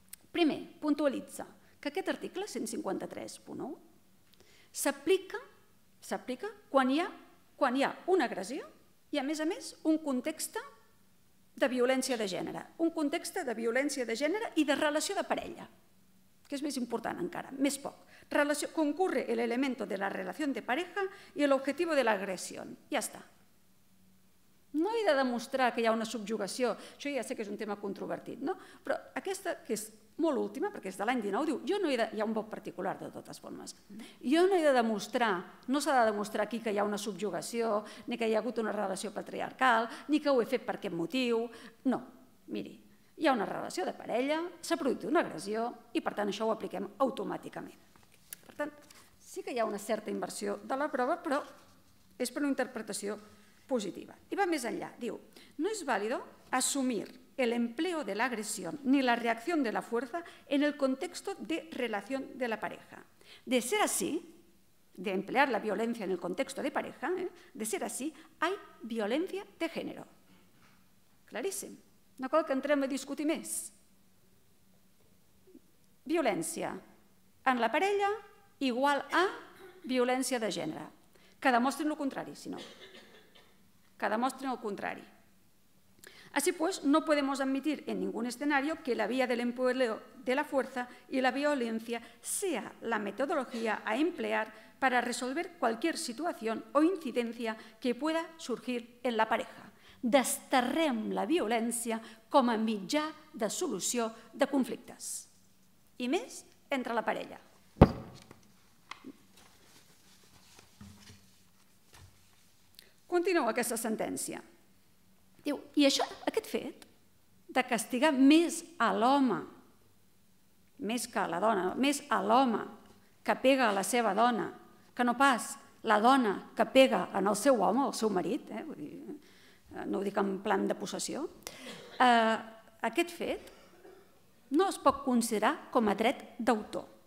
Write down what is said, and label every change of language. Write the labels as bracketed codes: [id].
[ca] Primer, puntualitza que aquest article 153.1 s'aplica quan hi ha una agressió i a més un context de violència de gènere, un context de violència de gènere i de relació de parella, que és més important encara, més poc. [es] Concurre el elemento de la relación de pareja y el objetivo de la agresión. [ca] Ja està. No he de demostrar que hi ha una subjugació, això ja sé que és un tema controvertit, no? Però aquesta, que és molt última, perquè és de l'any 19, diu, jo no he de, hi ha un vot particular de totes formes, jo no he de demostrar, no s'ha de demostrar aquí que hi ha una subjugació, ni que hi ha hagut una relació patriarcal, ni que ho he fet per aquest motiu, no, miri, hi ha una relació de parella, s'ha produït una agressió i per tant això ho apliquem automàticament. Per tant, sí que hi ha una certa inversió de la prova, però és per una interpretació positiva. I va més enllà, diu, [es] no és vàlido assumir el empleo de la agresión ni la reacción de la fuerza en el contexto de relación de la pareja. De ser así, de emplear la violencia en el contexto de pareja, de ser así, hay violencia de género. [ca] Claríssim. No cal que entrem a discutir més. Violència en la parella igual a violència de gènere. Que demostren el contrari, si no. Que demostren el contrari. [es] Así pues, no podemos admitir en ningún escenario que la vía del empleo de la fuerza y la violencia sea la metodología a emplear para resolver cualquier situación o incidencia que pueda surgir en la pareja. [ca] Desterrem la violència com a mitjà de solució de conflictes. I més entre la parella. Continua aquesta sentència. Diu, i això, aquest fet de castigar més a l'home, més que a la dona, més a l'home que pega a la seva dona, que no pas la dona que pega en el seu home, el seu marit, vull dir, no ho dic en plan de possessió, aquest fet no es pot considerar com a dret d'autor.